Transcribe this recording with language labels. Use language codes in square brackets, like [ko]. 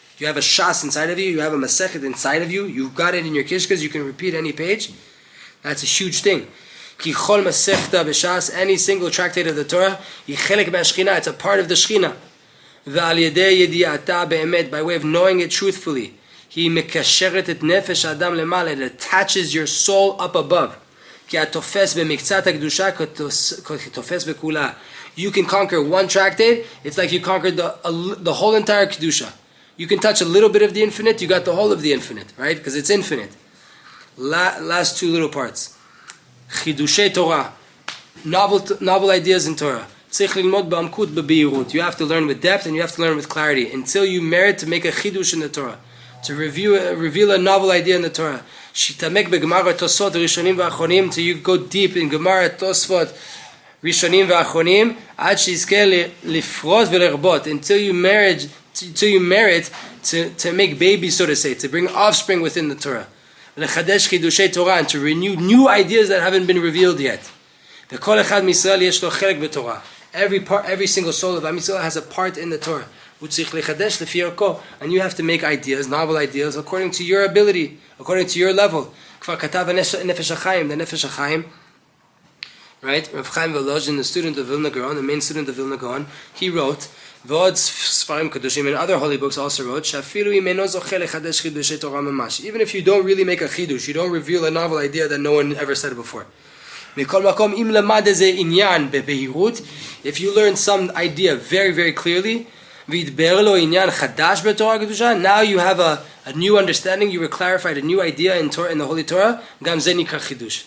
[en] You have a shas inside of you, you have a masechet inside of you, you've got it in your kishkas, you can repeat any page, that's a huge thing. [he] כי כל מסכתה בשעס, [en] any single tractate of the Torah, [he] היא חלק מהשכינה, [en] it's a part of the שכינה. [he] ועל ידי ידיעתה באמת, [en] by way of knowing it truthfully, [he] היא מקשרת את נפש האדם למעלה, [en] it attaches your soul up above. [he] כי התופס במקצת הקדושה, כתופס בכולה. [en] You can conquer one tractate, it's like you conquered the whole entire קדושה. You can touch a little bit of the infinite, you got the whole of the infinite, right? Because it's infinite. Last two little parts. חידושי תורה, novel ideas in Torah. [he] צריך ללמוד בעמקות בבהירות. [en] You have to learn with depth and you have to learn with clarity until you merit to make a חידוש in the Torah, to reveal a novel idea in the Torah. [he] שיתעמק בגמרא תוספות ראשונים ואחרונים, [en] till you go deep in גמרא תוספות ראשונים ואחרונים, [he] עד שיזכה לפרוס ולרבות, [en] until you merit to make babies, so to say, to bring offspring within the Torah. [he] לחדש חידושי תורה [en] and to renew new ideas that haven't been revealed yet. [he] וכל אחד מישראל יש לו חלק בתורה. [en] Every single soul of Israel has a part in the Torah. [he] הוא צריך לחדש לפי ערכו. [en] And you have to make ideas, novel ideas, according to your ability, according to your level. [he] כבר כתב הנפש החיים, the נפש החיים, right? [en] רב חיים ולוז'ין, the student of Vilna Gaon, the main student of Vilna Gaon, he wrote, [he] ועוד ספרים קדושים [en] and other holy books also wrote [he] שאפילו אם אינו זוכה לחדש חידושי תורה ממש, [en] even if you don't really make a חידוש, you don't reveal a novel idea that no one ever said before. [he] מכל מקום, אם למד איזה עניין בבהירות, [en] if you learn some idea very very clearly [he] והתבר לו עניין חדש בתורה הקדושה, [en] now you have a new understanding, you were clarified a new idea in the holy Torah, [he] גם זה נקרא חידוש.